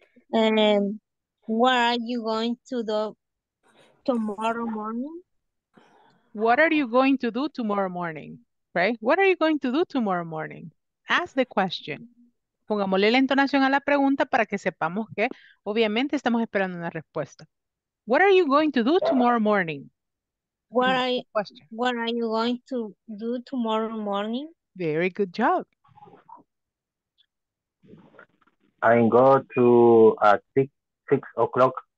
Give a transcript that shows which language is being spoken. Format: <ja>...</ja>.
<en>Where are you going to do tomorrow morning? What are you going to do tomorrow morning? Right? What are you going to do tomorrow morning? Ask the question.</en> <es>Pongámosle la entonación a la pregunta para que sepamos que obviamente estamos esperando una respuesta.</es> <en>What are you going to do tomorrow morning? What are you going to do tomorrow morning? Very good job. I'm going to at 6 o'clock.</en>